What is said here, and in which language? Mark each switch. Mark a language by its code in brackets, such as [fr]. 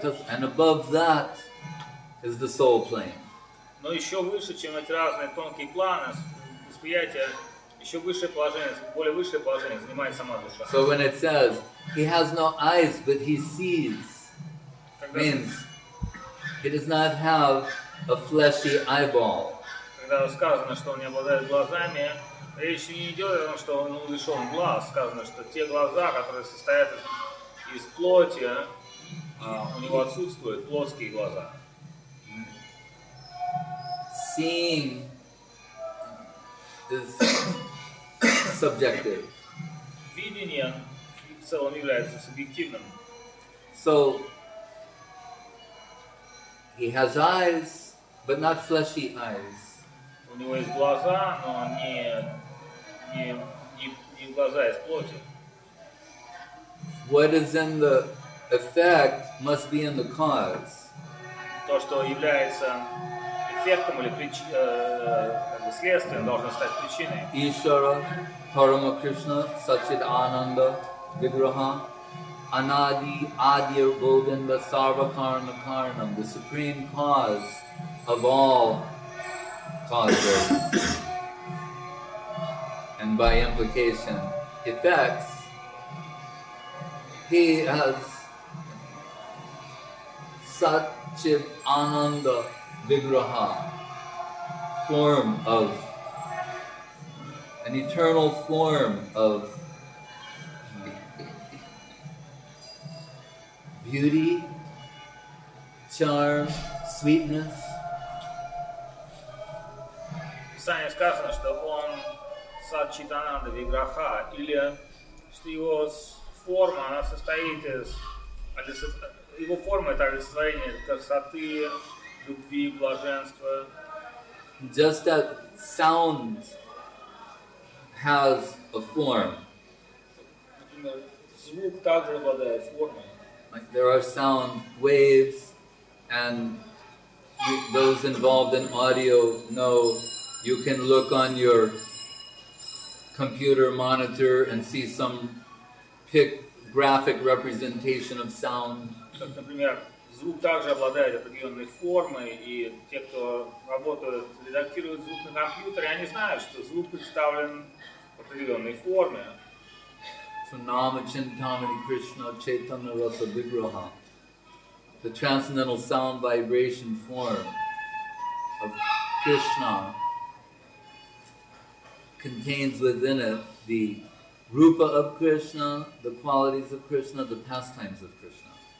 [en] And above that is the soul plane. [ru] Но еще выше, чем эти разные тонкие планы восприятия, еще высшее положение, более высшее положение занимает сама душа. [en] So when it says he has no eyes but he sees, means he does not have a fleshy eyeball. [ru] Когда сказано, что он не обладает глазами, речь не идет о том, что он лишен глаз. Сказано, что те глаза, которые состоят из плоти, у него отсутствуют плоские глаза. [en] Seeing is subjective. [ru] Видение в целом является субъективным. [en] So he has eyes, but not fleshy eyes. [ru] У него есть глаза, но не глаза из плоти. [en] What is in the effect must be in the cause. [ru] То, что является эффектом или следствием, должно стать причиной. [sa] Ишвара, Парама Кришна, Сачит Ананда, Виграха, Анади, Адир, Говинда, Сарвакарна, Карнам, [en] the supreme cause of all causes, and by implication, effects. He has Sat Chit Ananda Vigraha, form of an eternal form of beauty, charm, sweetness. [ru] В Писании сказано, что он Сат-Чит-Ананда Виграха, или что его форма, она состоит из его форма это растворение красоты, любви, блаженства. [en] Just that sound has a form. [ru] Звук также обладает формой. [en] Like there are sound waves, and those involved in audio know you can look on your computer monitor and see some graphic representation of sound. [ru] Например, звук также обладает определенной формой, и те, кто работают, редактируют звук на компьютере, они знают, что звук представлен в определенной форме. [sa] Nama Chintamani Krishna Chaitanya Rasa Vigraha, [en] the transcendental sound vibration form of Krishna, contains within it the rupa of Krishna, the qualities of Krishna, the pastimes of Krishna.